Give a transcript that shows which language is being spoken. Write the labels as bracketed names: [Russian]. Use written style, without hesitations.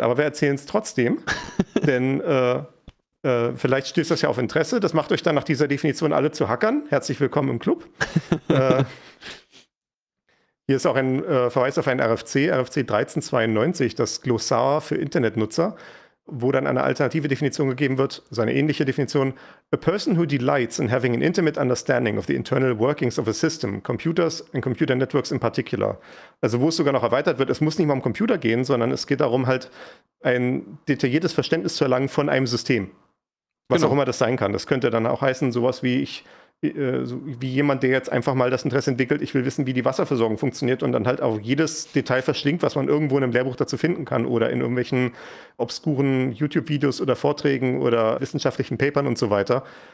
[German] Aber wir erzählen es trotzdem, denn vielleicht stößt das ja auf Interesse. Das macht euch dann nach dieser Definition alle zu Hackern. Herzlich willkommen im Club. Hier ist auch ein Verweis auf ein RFC, RFC 1392, das Glossar für Internetnutzer, wo dann eine alternative Definition gegeben wird, so eine ähnliche Definition. [English] A person who delights in having an intimate understanding of the internal workings of a system, computers and computer networks in particular. [German] Also wo es sogar noch erweitert wird, es muss nicht mal um Computer gehen, sondern es geht darum, halt ein detailliertes Verständnis zu erlangen von einem System. Was genau auch immer das sein kann. Das könnte dann auch heißen, sowas wie wie jemand, der jetzt einfach mal das Interesse entwickelt, ich will wissen, wie die Wasserversorgung funktioniert und dann halt auch jedes Detail verschlingt, was man irgendwo in einem Lehrbuch dazu finden kann oder in irgendwelchen obskuren YouTube-Videos oder Vorträgen oder wissenschaftlichen Papern und so weiter.